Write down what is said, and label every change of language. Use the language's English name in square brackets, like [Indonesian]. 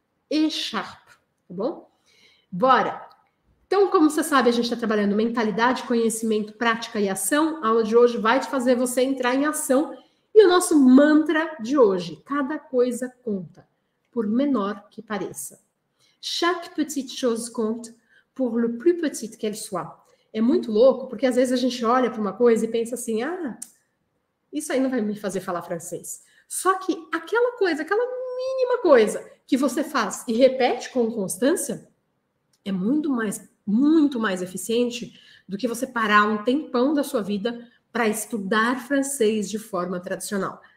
[Portuguese] Écharpe, tá bom? Bora! Então, como você sabe, a gente está trabalhando mentalidade, conhecimento, prática e ação. A aula de hoje vai te fazer você entrar em ação. E o nosso mantra de hoje: cada coisa conta, por menor que pareça. [French] Chaque petite chose compte, pour le plus petit qu'elle soit. [Portuguese] É muito louco, porque às vezes a gente olha para uma coisa e pensa assim: ah, isso aí não vai me fazer falar francês. Só que aquela coisa, aquela mínima coisa que você faz e repete com constância, é muito mais eficiente do que você parar um tempão da sua vida para estudar francês de forma tradicional.